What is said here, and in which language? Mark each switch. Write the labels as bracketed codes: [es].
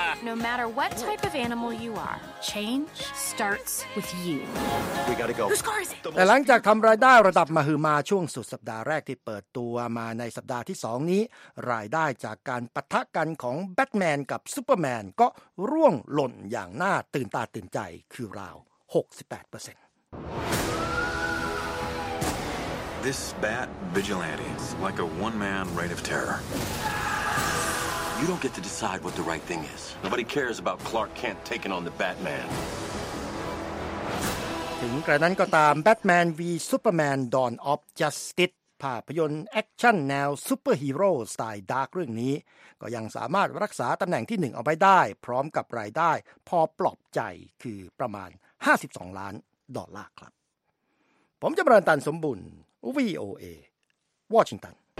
[en] No matter what type of animal you are, change starts with you. We gotta go. Whose car is it? [th] แต่หลังจากทำรายได้ระดับมหึมาช่วงสุดสัปดาห์แรกที่เปิดตัวมาในสัปดาห์ที่สองนี้รายได้จากการปะทะกันของแบทแมนกับซูเปอร์แมนก็ร่วงหล่นอย่างน่าตื่นตาตื่นใจคือราว 68% [en] This bat vigilante is like a one-man reign of terror. You don't get to decide what the right thing is. Nobody cares about Clark Kent taking on the Batman. [th] ถึงกระนั้นก็ตาม Batman v Superman Dawn of Justice ภาพยนตร์แอคชั่นแนวซูเปอร์ฮีโร่สไตล์ดาร์กเรื่องนี้ก็ยังสามารถรักษาตำแหน่งที่1เอาไว้ได้พร้อมกับรายได้พอปลอบใจคือประมาณ52ล้านดอลลาร์ครับผมจะประเมินตันสมบูรณ์VOA Washington